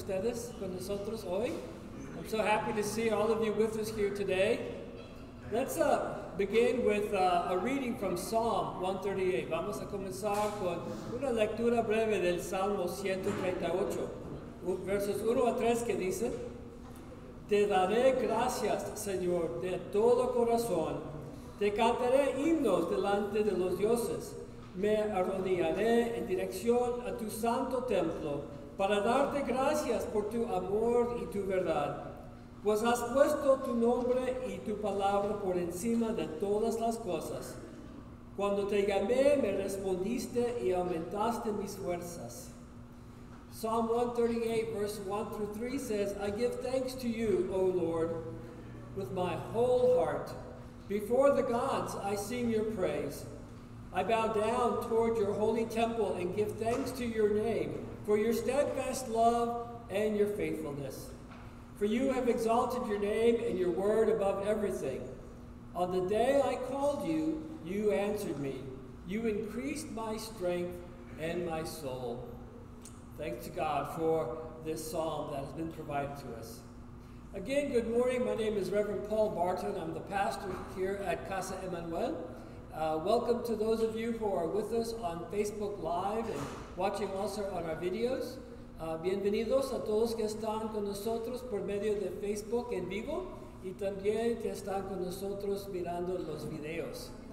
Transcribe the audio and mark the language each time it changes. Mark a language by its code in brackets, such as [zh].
[en] I'm so happy to see all of you with us here today. Let's begin with a reading from Psalm 138. [es] Vamos a comenzar con una lectura breve del Salmo 138, versos 1 a 3 que dice, Te daré gracias, Señor, de todo corazón. Te cantaré himnos delante de los dioses. Me arrodillaré en dirección a tu santo templo. Para darte gracias por tu amor y tu verdad, pues has puesto tu nombre y tu palabra por encima de todas las cosas. Cuando te llamé, me respondiste y aumentaste mis fuerzas. [en] Psalm 138, verse 1 through 3 says, I give thanks to you, O Lord, with my whole heart. Before the gods, I sing your praise. I bow down toward your holy temple and give thanks to your name. For your steadfast love and your faithfulness. For you have exalted your name and your word above everything. On the day I called you, you answered me. You increased my strength and my soul. Thanks to God for this psalm that has been provided to us. Again, good morning. My name is Reverend Paul Barton. I'm the pastor here at Casa Emanu-El. Welcome to those of you who are with us on Facebook Live and watching also on our videos. [es] Bienvenidos a todos que están con nosotros por medio de Facebook en vivo y también que están con nosotros mirando los videos.